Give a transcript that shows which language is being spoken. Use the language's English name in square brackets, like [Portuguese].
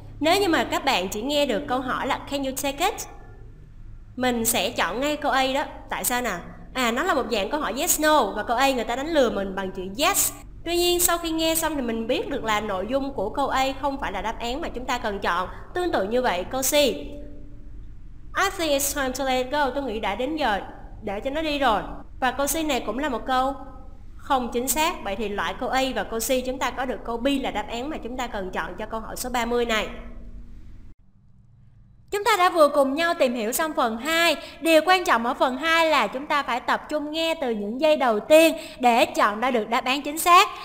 [Vietnamese] Nếu như mà các bạn chỉ nghe được câu hỏi là [English] can you take it? [Vietnamese] Mình sẽ chọn ngay câu A đó. Tại sao nào? À, nó là một dạng câu hỏi yes no. Và câu A người ta đánh lừa mình bằng chữ yes. Tuy nhiên sau khi nghe xong thì mình biết được là nội dung của câu A không phải là đáp án mà chúng ta cần chọn. Tương tự như vậy câu C. [English] I think it's time to let it go. [Vietnamese] Tôi nghĩ đã đến giờ để cho nó đi rồi. Và câu C này cũng là một câu không chính xác. Vậy thì loại câu A và câu C, chúng ta có được câu B là đáp án mà chúng ta cần chọn cho câu hỏi số 30 này. Chúng ta đã vừa cùng nhau tìm hiểu xong phần 2. Điều quan trọng ở phần 2 là chúng ta phải tập trung nghe từ những giây đầu tiên để chọn ra được đáp án chính xác.